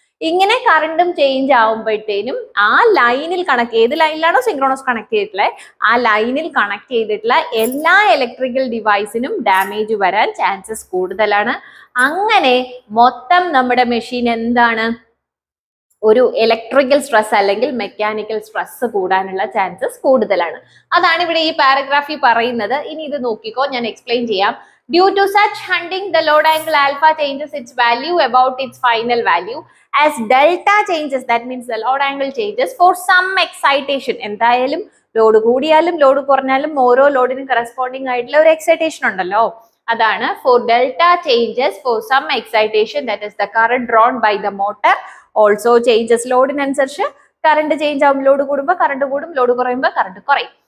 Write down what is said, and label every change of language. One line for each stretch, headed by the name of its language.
Malayalam: ഇങ്ങനെ കറണ്ടും ചേഞ്ച് ആവുമ്പോഴത്തേനും ആ ലൈനിൽ കണക്ട് ഏത് ലൈനിലാണോ സിങ്ക്രോണസ് കണക്ട് ചെയ്തിട്ടുള്ളത് ആ ലൈനിൽ കണക്ട് ചെയ്തിട്ടുള്ള എല്ലാ ഇലക്ട്രിക്കൽ ഡിവൈസിനും ഡാമേജ് വരാൻ ചാൻസസ് കൂടുതലാണ്. അങ്ങനെ മൊത്തം നമ്മുടെ മെഷീൻ എന്താണ് ഒരു ഇലക്ട്രിക്കൽ സ്ട്രെസ് അല്ലെങ്കിൽ മെക്കാനിക്കൽ സ്ട്രെസ് കൂടാനുള്ള ചാൻസസ് കൂടുതലാണ്. അതാണ് ഇവിടെ ഈ പാരഗ്രാഫിൽ പറയുന്നത്. ഇനി ഇത് നോക്കിക്കോ, ഞാൻ എക്സ്പ്ലെയിൻ ചെയ്യാം.
English: Due to such hunting, the load angle alpha changes its value about its final value. As delta changes, that means the load angle changes for some excitation.
Malayalam: എന്തായാലും ലോഡ് കൂടിയാലും ലോഡ് കുറഞ്ഞാലും ഓരോ ലോഡിനും കറസ്പോണ്ടിങ് ആയിട്ടുള്ള ഒരു excitation ഉണ്ടല്ലോ, അതാണ്
English: For delta changes for some excitation that is the current drawn by the motor also changes.
Malayalam: ലോഡിനനുസരിച്ച് current change ആവും, load കൂടുമ്പോൾ കറണ്ട് കൂടും, ലോഡ് കുറയുമ്പോൾ കറണ്ട് കുറയും.